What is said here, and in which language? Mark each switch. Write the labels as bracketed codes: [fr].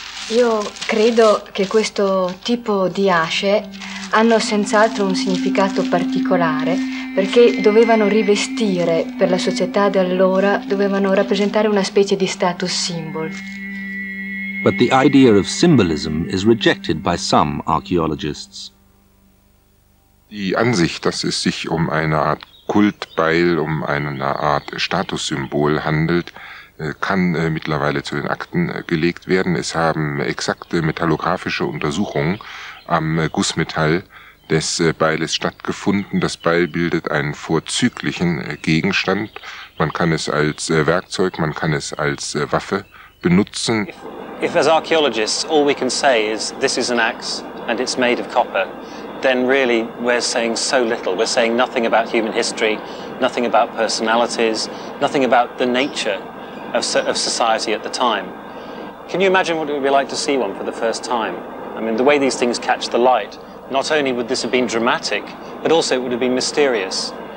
[it] Io credo che questo tipo di asce hanno senz'altro un significato particolare perché dovevano rivestire per la società di allora, dovevano rappresentare una specie di status symbol. [en] But the idea of symbolism is rejected by some archaeologists. [de] Die Ansicht, dass es sich um eine Art Kultbeil, um eine Art Statussymbol handelt, kann mittlerweile zu den Akten gelegt werden. Es haben exakte metallographische Untersuchungen am Gussmetall des Beiles stattgefunden. Das Beil bildet einen vorzüglichen Gegenstand. Man kann es als Werkzeug, man kann es als Waffe benutzen. [en] If as archaeologists all we can say is this is an axe and it's made of copper, then really we're saying so little. We're saying nothing about human history, nothing about personalities, nothing about the nature of society at the time. Can you imagine what it would be like to see one for the first time? I mean, the way these things catch the light, not only would this have been dramatic, but also it would have been mysterious.